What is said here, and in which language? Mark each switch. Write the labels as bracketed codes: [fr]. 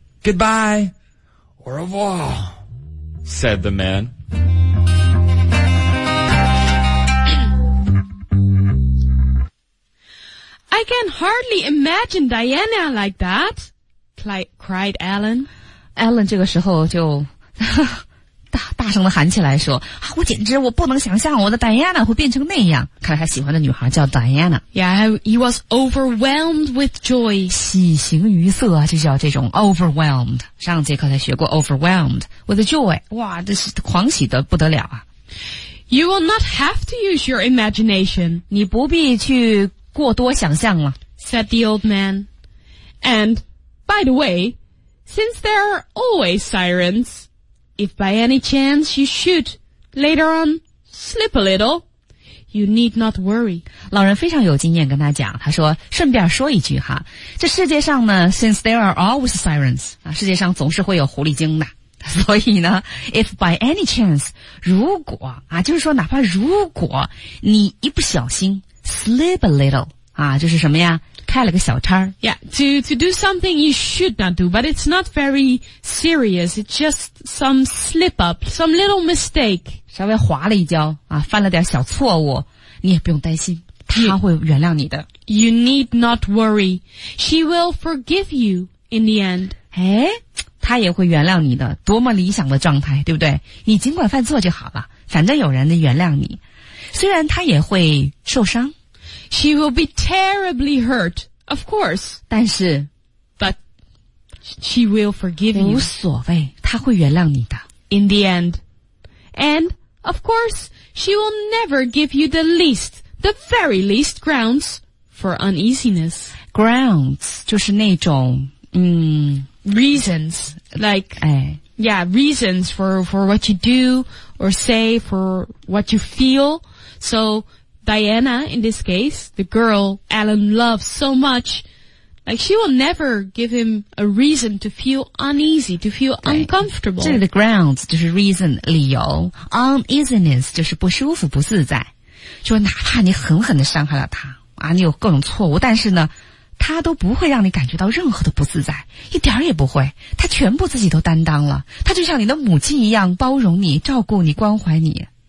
[en] Goodbye. [fr] Au revoir, [en] said the man. I can hardly imagine Diana like that, cried Alan. [zh] Alan 这个时候就大声地喊起来说，啊，我简直我不能想象我的 Diana 会变成那样。看来他喜欢的女孩叫 Diana。 [en] Yeah, he was overwhelmed with joy. [zh] 喜形于色，就叫这种 overwhelmed。上节课才学过 [en] overwhelmed with joy。 [zh] 哇，这是狂喜得不得了啊。 [en] You will not have to use your imagination. [zh] 你不必去过多想象了， [en] said the old man. And, by the way, since there are always sirens, if by any chance you should, later on, slip a little, you need not worry. [zh] 老人非常有经验跟他讲，他说，顺便说一句哈，这世界上呢， [en] since there are always sirens, [zh] 啊，世界上总是会有狐狸精的。所以呢 [en] if by any chance, [zh] 如果，啊，就是说哪怕如果你一不小心 [en] Slip a little, [zh] 啊，就是什么呀？开了个小差。 [en] Yeah, to do something you should not do, but it's not very serious. It's just some slip up, some little mistake. [zh] 稍微滑了一跤，啊，犯了点小错误，你也不用担心，他会原谅你的。 [en] You need not worry. She will forgive you in the end. [zh] 诶，他也会原谅你的，多么理想的状态，对不对？你尽管犯错就好了，反正有人能原谅你。虽然她也会受伤 [en] She will be terribly hurt, of course. [zh] 但是 [en] But she will forgive you. [zh] 无所谓，她会原谅你的 [en] In the end. And, of course, she will never give you the least, the very least grounds for uneasiness. Grounds, 就是那种 Reasons, like, yeah, reasons for what you do or say, for what you feel. So, Diana, in this case, the girl Alan loves so much, like, she will never give him a reason to feel uneasy, to feel uncomfortable. [zh] 这里的 grounds 就是 reason, 理由。Uneasiness 就是不舒服、不自在。就哪怕你狠狠地伤害了他，啊，你有各种错误，但是呢，他都不会让你感觉到任何的不自在，一点也不会。他全部自己都担当了。他就像你的母亲一样，包容你、照顾你、关怀你。